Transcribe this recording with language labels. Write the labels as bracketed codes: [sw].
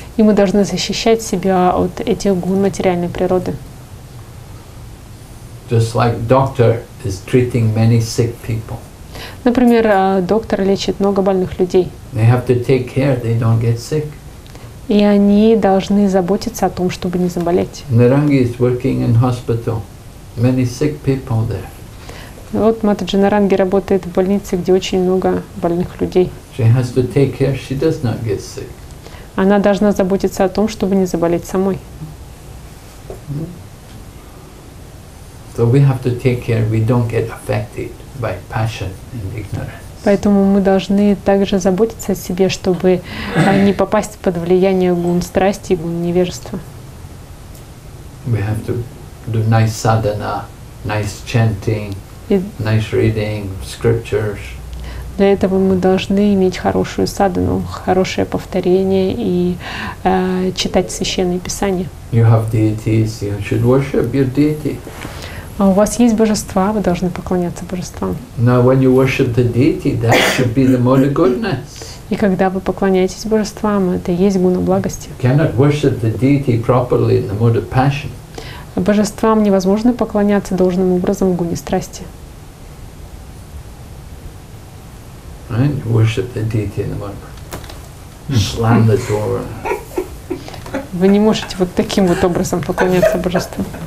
[ru] И мы должны защищать себя от этих гун материальной природы. [en] Just like doctor is treating many sick people. [ru] Например, доктор лечит много больных людей. [en] They have to take care they don't get sick. [ru] И они должны заботиться о том, чтобы не заболеть. [en] Наранги is working in hospital. Many sick people there. [ru] Вот Матаджи Наранги работает в больнице, где очень много больных людей. [en] She has to take care she does not get sick. [ru] Она должна заботиться о том, чтобы не заболеть самой. [en] So we have to take care we don't get affected by passion and ignorance. [ru] Поэтому мы должны также заботиться о себе, чтобы не попасть под влияние гун страсти и гун невежества. [en] We have to do nice sadhana, nice chanting, nice reading scriptures. [ru] Для этого мы должны иметь хорошую садхану, хорошее повторение и читать священные писания. [en] You have deities, you should worship your deity. [ru] А у вас есть божества, вы должны поклоняться божествам. [en] Now when you worship the deity, that should be the mode of goodness. [ru] И когда вы поклоняетесь божествам, это и есть гуна благости. [en] You cannot worship the deity properly in the mode of passion. [ru] Божествам невозможно поклоняться должным образом в гуне страсти. [en] Right? You worship the deity in the mode of slam the door. [ru] Вы не можете вот таким вот образом поклоняться божествам.